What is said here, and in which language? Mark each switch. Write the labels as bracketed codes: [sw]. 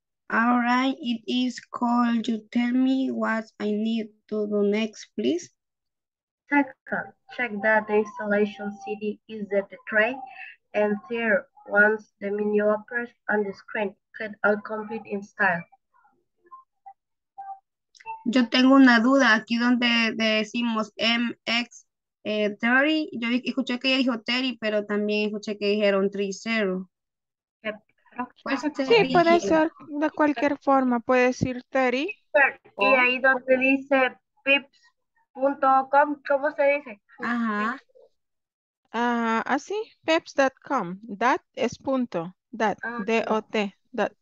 [en] All right, it is called. You tell me what I need to do next, please. Second, check that the installation CD is at the tray. And there, once the menu appears on the screen, click on complete install. [es] Yo tengo una duda, aquí donde decimos MX30, yo escuché que ella dijo 30, pero también escuché que dijeron 30. Sí, puede ser de cualquier forma, puede decir 30. Y ahí donde dice peps.com, ¿cómo se dice? Ajá. Así, peps.com, that es punto, that, D-O-T, that.